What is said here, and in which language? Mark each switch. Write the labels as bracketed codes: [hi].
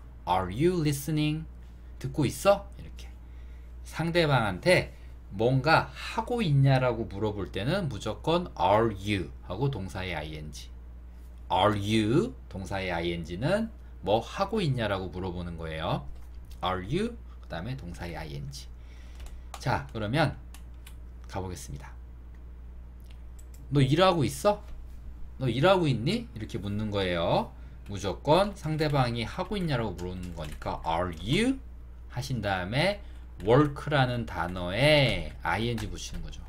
[en] Are you listening? [ko] 듣고 있어? 이렇게 상대방한테 뭔가 하고 있냐라고 물어볼 때는 무조건 [en] are you [ko] 하고 동사에 ing. Are you 동사에 ing는 뭐 하고 있냐라고 물어보는 거예요. Are you 그다음에 동사에 ing. 자, 그러면 가보겠습니다. 너 일하고 있어? 너 일하고 있니? 이렇게 묻는 거예요. 무조건 상대방이 하고 있냐라고 물어보는 거니까 [en] are you [ko] 하신 다음에 work라는 단어에 ing 붙이는 거죠.